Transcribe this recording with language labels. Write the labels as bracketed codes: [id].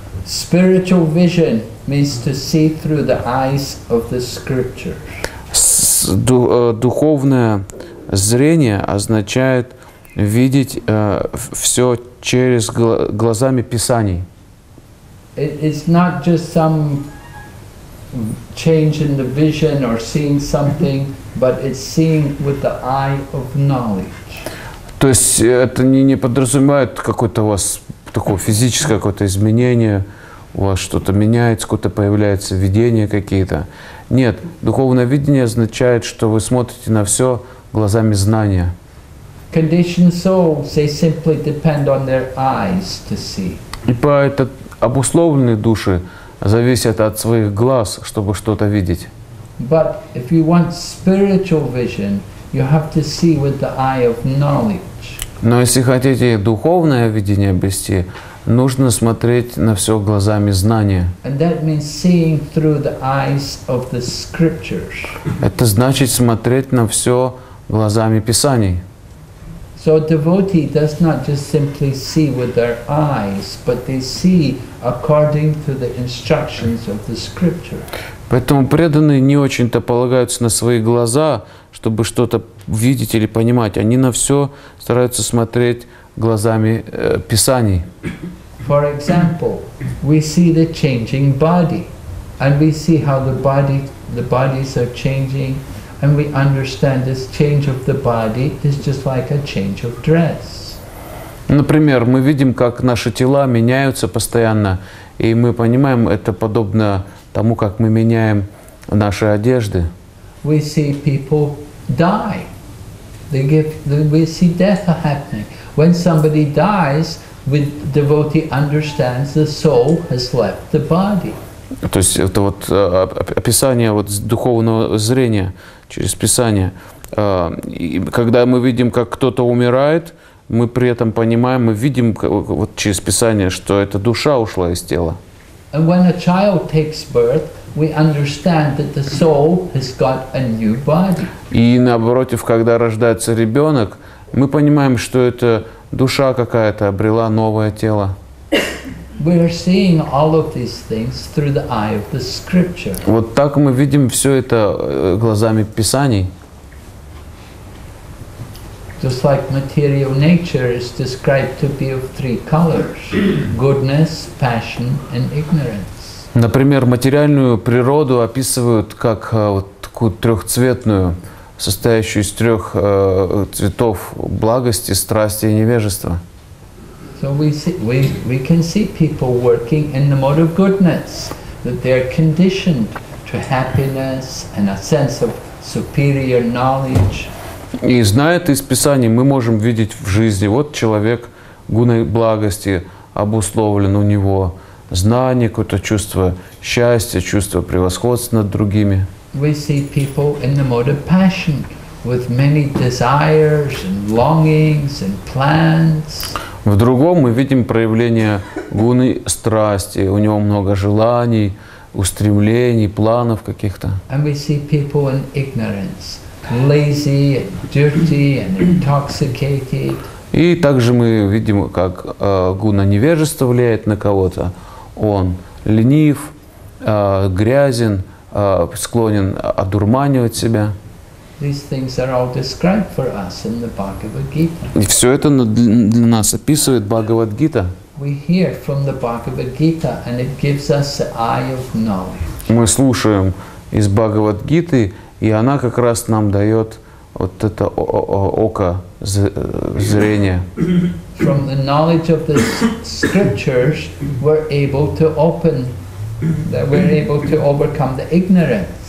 [en] Spiritual vision means to see through the eyes of the scriptures. [ru] Духовное зрение означает видеть все через глазами Писаний. [en] It's not just some change in the vision or seeing something, but it's seeing with the eye of knowledge. [ru] То есть это не подразумевает какое-то у вас такое физическое какое-то изменение, у вас что-то меняется, какое-то появляется видение какие-то. Нет, духовное видение означает, что вы смотрите на все глазами знания. [en] Conditioned souls, they simply depend on their eyes to see. [ru] И поэтому обусловленные души зависят от своих глаз, чтобы что-то видеть. [en] But if you want spiritual vision, you have to see with the eye of knowledge. [ru] Но если хотите духовное видение обрести, нужно смотреть на все глазами знания. [en] And that means seeing through the eyes of the scriptures. [ru] Это значит смотреть на все глазами Писаний. [en] So a devotee does not just simply see with their eyes, but they see according to the instructions of the scripture. [ru] Поэтому преданные не очень-то полагаются на свои глаза, чтобы что-то видеть или понимать. Они на все стараются смотреть глазами Писаний. [en] For example, we see the changing body, and we see how the bodies are changing. And we understand this change of the body is just like a change of dress. [ru] Например, мы видим, как наши тела меняются постоянно, и мы понимаем, это подобно тому, как мы меняем наши одежды. [en] We see people die. We see death happening. When somebody dies, the devotee understands the soul has left the body. [ru] То есть это вот описание вот духовного зрения через Писание. Когда мы видим, как кто-то умирает, мы при этом понимаем, мы видим вот через Писание, что эта душа ушла из тела. [en] And when a child takes birth, we understand that the soul has got a new body. [ru] И наоборот, когда рождается ребенок, мы понимаем, что это душа какая-то обрела новое тело. [en] We are seeing all of these things through the eye of the scripture. [ru] Вот так мы видим все это глазами Писаний. [en] Just like material nature is described to be of three colors: goodness, passion, and ignorance. [ru] Например, материальную природу описывают как такую трехцветную, состоящую из трех цветов: благости, страсти и невежества. [en] So we can see people working in the mode of goodness, that they are conditioned to happiness and a sense of superior knowledge. [ru] И зная это из Писания, мы можем видеть в жизни, вот человек гуной благости обусловлен, у него знание, какое-то чувство счастья, чувство превосходства над другими. [en] We see people in the mode of passion, with many desires and longings and plans. [ru] В другом мы видим проявление гуны страсти. У него много желаний, устремлений, планов каких-то. [en] And we see people in ignorance, lazy, dirty, and intoxicated. [ru] И также мы видим, как гуна невежества влияет на кого-то. Он ленив, грязен, склонен одурманивать себя. [en] These things are all described for us in the Bhagavad Gita. [ru] И все это для нас описывает Бхагавад Гита. [en] We hear from the Bhagavad Gita, and it gives us the eye of knowledge. [ru] Мы слушаем из Бхагавад Гиты, и она как раз нам дает вот это око зрение. [en] From the knowledge of the scriptures, we're able to overcome the ignorance.